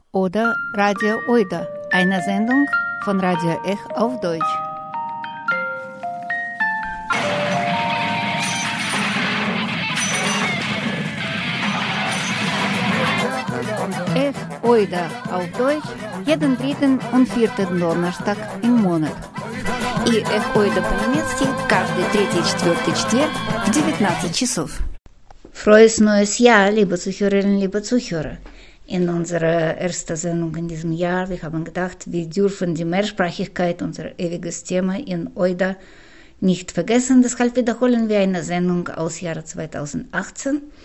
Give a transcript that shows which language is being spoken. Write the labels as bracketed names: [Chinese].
[German] Oder Radio Ойда. Eine Sendung von Radio Эх auf Deutsch. Эх Ойда auf Deutsch. Jeden dritten und vierten Donnerstag im Monat. [Russian] И Эх Ойда по-немецки каждый третий и четвертый четверг в 19 часов. [German] Frohes neues Jahr, liebe Zuhörerinnen, liebe Zuhörer. In unserer ersten Sendung in diesem Jahr, wir haben gedacht, wir dürfen die Mehrsprachigkeit, unser ewiges Thema in Ойда, nicht vergessen. Deshalb wiederholen wir eine Sendung aus Jahre 2018.